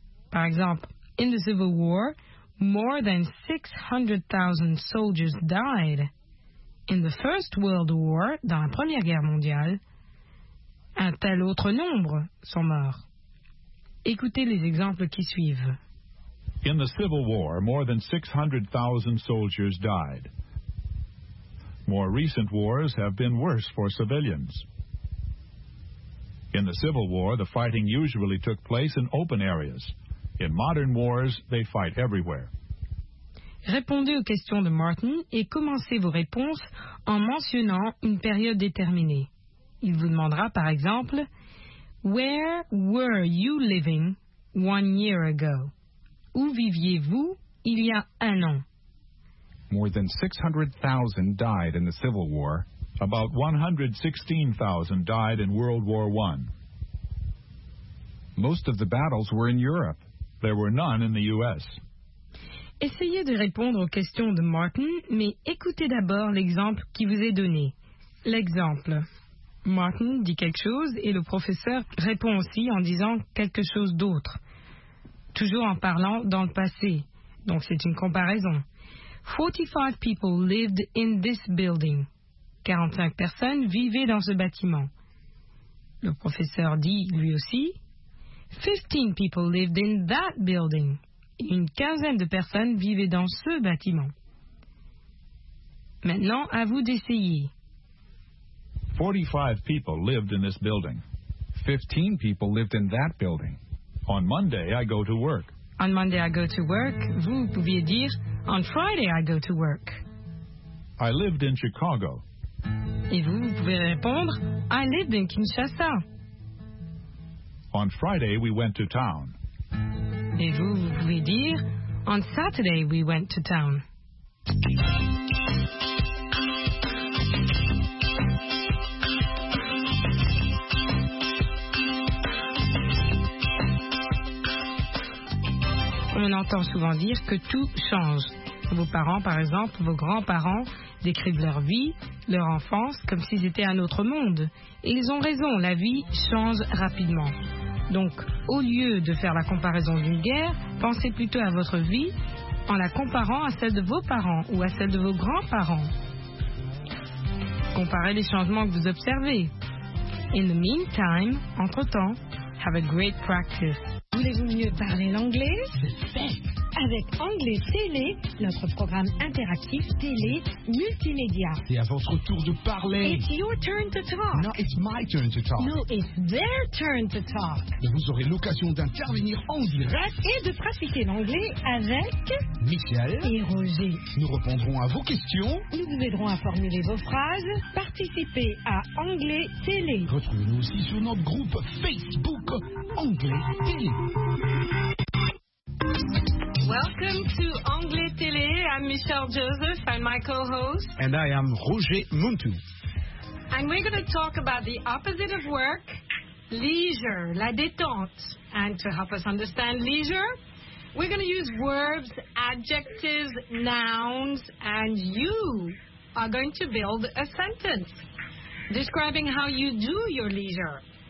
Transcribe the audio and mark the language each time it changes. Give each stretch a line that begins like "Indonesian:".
French: Par exemple,
English: « In the Civil War, more than 600,000 soldiers died. In the First World War,
French: dans la Première Guerre mondiale, un tel autre nombre sont morts. » Écoutez les exemples qui suivent.
English: In the Civil War, more than 600,000 soldiers died. More recent wars have been worse for civilians. In the Civil War, the fighting usually took place in open areas. In modern wars, they fight everywhere.
French: Répondez aux questions de Martin et commencez vos réponses en mentionnant une période déterminée. Il vous demandera, par exemple, «
English: Where were you living 1 year ago?
French: » Où viviez-vous il y a un an?
English: More than 600,000 died in the Civil War. About 116,000 died in World War I. Most of the battles were in Europe. There were none in the U.S.
French: Essayez de répondre aux questions de Martin, mais écoutez d'abord l'exemple qui vous est donné. L'exemple. Martin dit quelque chose et le professeur répond aussi en disant quelque chose d'autre, toujours en parlant dans le passé. Donc c'est une comparaison.
English: 45 people lived in this building.
French: 45 personnes vivaient dans ce bâtiment. Le professeur dit lui aussi
English: 15 people lived in that building.
French: Une quinzaine de personnes vivaient dans ce bâtiment. Maintenant, à vous d'essayer.
English: 45 people lived in this building. 15 people lived in that building. On Monday, I go to work. On Monday, I go to work.
French: Vous pouviez dire,
English: on Friday, I go to work. I lived in Chicago.
French: Et vous pouvez répondre,
English: I lived in Kinshasa. On Friday, we went to town.
French: Et vous pouvez dire,
English: on Saturday, we went to town.
French: On entend souvent dire que tout change. Vos parents, par exemple, vos grands-parents décrivent leur vie, leur enfance, comme s'ils étaient un autre monde. Et ils ont raison, la vie change rapidement. Donc, au lieu de faire la comparaison d'une guerre, pensez plutôt à votre vie en la comparant à celle de vos parents ou à celle de vos grands-parents. Comparez les changements que vous observez.
English: In the meantime,
French: entre-temps,
English: have a great practice.
French: Voulez-vous mieux parler l'anglais? Avec Anglais Télé, notre programme interactif télé multimédia. C'est à votre tour de parler.
English: It's your turn to talk. No, it's my turn to talk. No, it's their turn to talk.
French: Et vous aurez l'occasion d'intervenir en direct. Et de pratiquer l'anglais avec... Michel. Et Roger. Nous répondrons à vos questions. Nous vous aiderons à formuler vos phrases. Participez à Anglais Télé. Retrouvez-nous aussi sur notre groupe Facebook Anglais Télé.
English: Welcome to Anglais Télé. I'm Michelle Joseph. I'm my co-host. And I am Roger Muntou. And we're going to talk about the opposite of work, leisure, la détente. And to help us understand leisure, we're going to use verbs, adjectives, nouns, and you are going to build a sentence describing how you do your leisure.